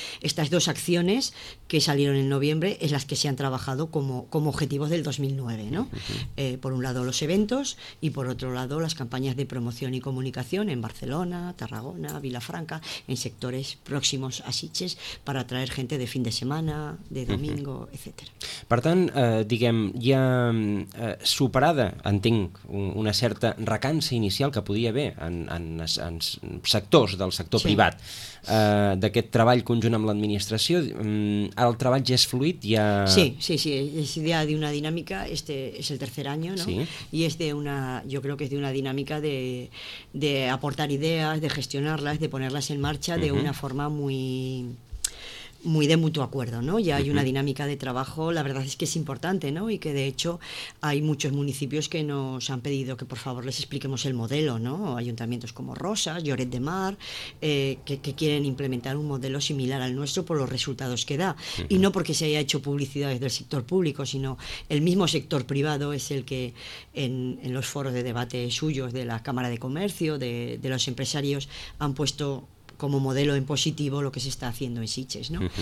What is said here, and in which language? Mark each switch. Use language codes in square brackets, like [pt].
[es] Estas dos acciones que salieron en noviembre es las que se han trabajado como objetivos del 2009, ¿no? Por un lado los eventos y por otro lado las campañas de promoción y comunicación en Barcelona, Tarragona, Vilafranca, en sectores próximos a Sitges, para atraer gente de fin de semana, de domingo, etcétera. [ca] Per tant, diguem, ja superada, entenc, una certa recança inicial que podia haver en sectors del sector privat d'aquest treball conjunt amb l'administració, el treball ja és fluid? Ja... Sí, és idea d'una dinàmica, este és el tercer any, no? I és d'una, jo crec que és d'una dinàmica de aportar idees, de gestionar-les, de poner-les en marxa [es] de una forma muy de mutuo acuerdo, [ca] ¿no? [es] Ya hay una dinámica de trabajo, la verdad es que es importante, ¿no? Y que de hecho hay muchos municipios que nos han pedido que por favor les expliquemos el modelo, ¿no? Ayuntamientos como Rosas, Lloret de Mar, que quieren implementar un modelo similar al nuestro por los resultados que da. Y no porque se haya hecho publicidad desde el sector público, sino el mismo sector privado es el que en los foros de debate suyos de la Cámara de Comercio, de los empresarios, han puesto como modelo en positivo lo que se está haciendo en Sitges, ¿no?